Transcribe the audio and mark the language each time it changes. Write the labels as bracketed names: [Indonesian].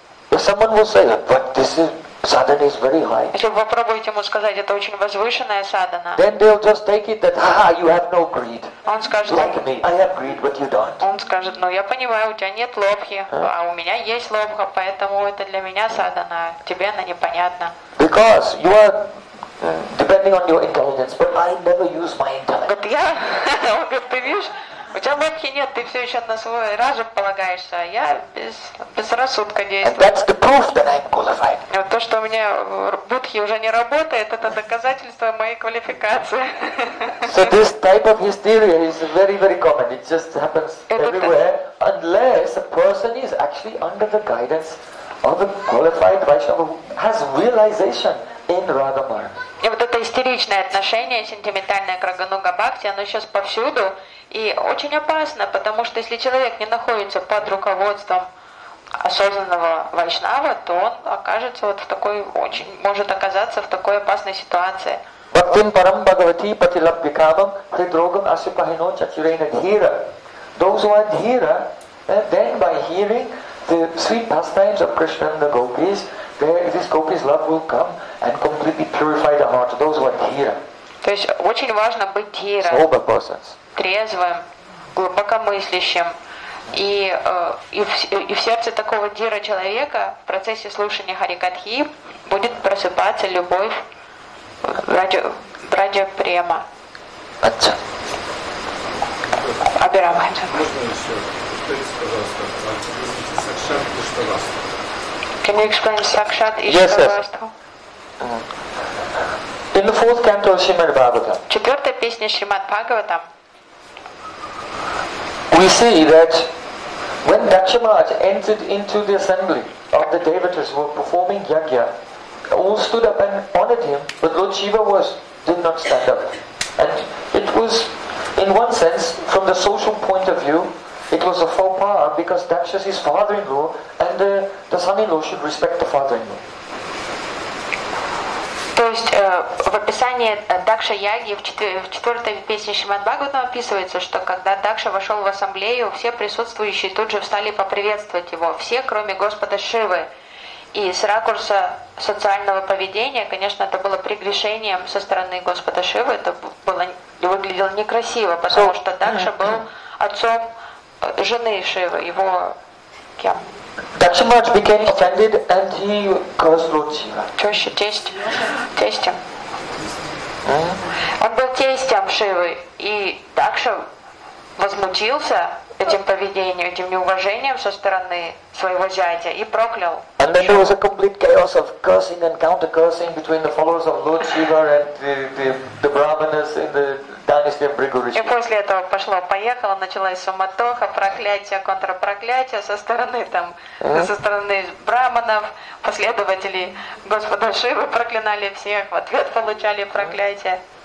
[English] If someone will say, but this is sadhana is very high. [Russian] Если вы попробуете ему сказать, это очень возвышенная садхана. [English] Then they'll just take it that, ha, you have no greed. [Russian] Он скажет, [English] like me, I have greed, but you don't. [Russian] Он скажет, ну я понимаю, у тебя нет лобхи, а у меня есть лобха, поэтому это для меня садхана, тебе она непонятна. [English] Because you are depending on your intelligence, but I never use my intellect. [Russian] Вот я, он говорит, ты видишь? У тебя лобхи нет, ты все еще на свой разум полагаешься, а я без рассудка действую. [English] And that's the proof that I'm qualified. [Russian] Вот то, что у меня будхи уже не работает, это доказательство моей квалификации. [English] So this type of hysteria is very, very common. It just happens everywhere, unless a person is actually under the guidance of a qualified Vaishnava who has realization in Radha Mara. [Russian] И вот это истеричное отношение, сентиментальное к Рагануга Бхакти, оно сейчас повсюду и очень опасно, потому что если человек не находится под руководством осознанного вайшнава, то он окажется вот в такой, очень может оказаться в такой опасной ситуации. [Sanskrit] Бхактин парам бхагавати патилабхикамам хридрогам асипахино чачирейна дхира. [English] Those who are dhira, then by hearing the sweet pastimes of Krishna and the gopis, there this gopis love will come and completely purify the heart of those who are dhira. [Russian] То есть очень важно быть дхира. [English] Sober persons. [Russian] Трезвым, глубокомыслящим. И в сердце такого дхира человека в процессе слушания Харикатхи будет просыпаться любовь ради према. Отца. Абирамаджа. [English] Can you explain Sakshat Ishtavastu? In the fourth canto of Srimad Bhagavatam. [Russian] Четвертая песня Шримад Бхагаватам. [English] We see that when Dakshamaj entered into the assembly of the devatas who were performing yagya, all stood up and honored him, but Lord Shiva did not stand up. And it was, in one sense, from the social point of view, it was a faux pas because Daksha is his father-in-law and the son-in-law should respect the father-in-law. [Russian] То есть в описании Дакша Яги в четвертой песне Шримад Бхагаватам описывается, что когда Дакша вошел в ассамблею, все присутствующие тут же встали поприветствовать его. Все, кроме Господа Шивы. И с ракурса социального поведения, конечно, это было прегрешением со стороны Господа Шивы. Это было, выглядело некрасиво, потому что Дакша был отцом жены Шивы, его кем? [English] Дакшамадж became offended and he cursed Lord Shiva. [Russian] Теща, тестем. Mm-hmm. Он был тестем Шивы, и Дакша возмутился этим поведением, этим неуважением со стороны своего зятя и проклял. [English] And then there was a complete chaos of cursing and counter-cursing between the followers of Lord Shiva and the brahmanas in the dynasty of Bhrigurishi. [Russian] И после этого поехало, началась суматоха, проклятие, контрпроклятие со стороны там, со стороны брахманов, последователей Господа Шивы проклинали всех, в ответ получали проклятие.